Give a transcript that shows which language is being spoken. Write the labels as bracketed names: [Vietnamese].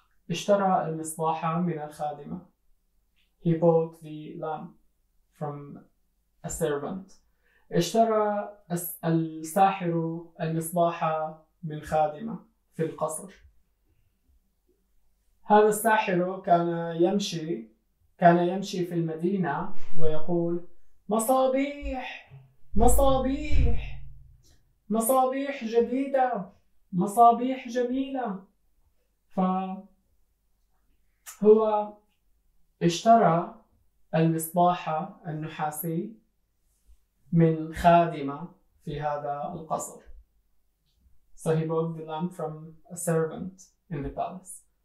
[Arabic] اشترى المصباح من الخادمة. [English] He bought the lamp from a servant. [Arabic] اشترى الساحر المصباح من خادمة في القصر. هذا الساحر كان يمشي في المدينة ويقول: مصابيح مصابيح مصابيح جديدة، مصابيح جميلة. فهو اشترى المصباح النحاسي من خادمة في هذا القصر. [English] So he bought the lamp from a servant in the palace.